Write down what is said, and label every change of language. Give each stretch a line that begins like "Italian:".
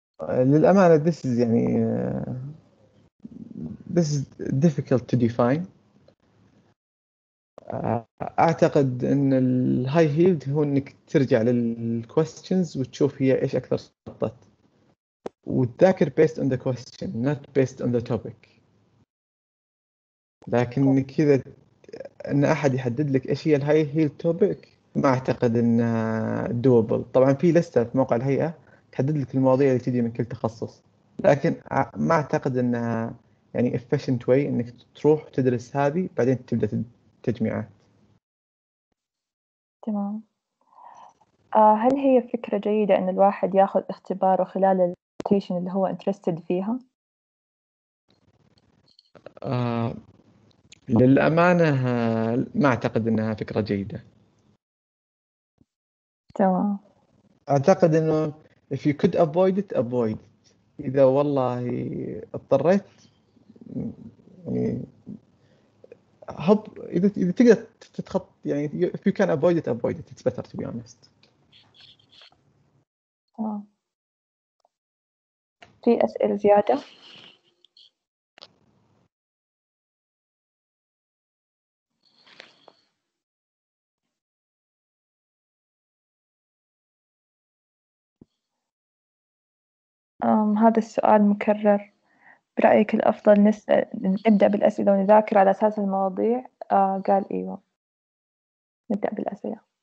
Arabic: للامانه
English: this is
Arabic: يعني
English: this is difficult to define.
Arabic: اعتقد ان الهاي هيلد هو انك ترجع للكويستشنز وتشوف هي ايش اكثر سقطت، وتذاكر
English: based on the question not based on the topic.
Arabic: لكن كذا ان احد يحدد لك ايش هي الهاي هيلد توبك، ما اعتقد انها دوبل. طبعا في لستة في موقع الهيئه تحدد لك المواضيع اللي تجي من كل تخصص، لكن ما اعتقد انها يعني
English: efficient way
Arabic: انك تروح تدرس هذه بعدين تبدا تجميعات. تمام، هل هي فكرة جيدة أن الواحد يأخذ اختبار خلال الـ اللي هو
English: interested
Arabic: فيها؟ للأمانة ما أعتقد أنها فكرة جيدة. تمام، أعتقد أنه
English: if you could avoid it, avoid it.
Arabic: إذا والله اضطريت يعني إذا تقدر تتخط يعني
English: if you can avoid it, avoid it. It's better to be honest.
Arabic: في أسئلة زيادة؟ هذا السؤال مكرر، برأيك الأفضل نبدأ بالأسئلة ونذاكر على أساس المواضيع؟ قال إيوه، نبدأ بالأسئلة.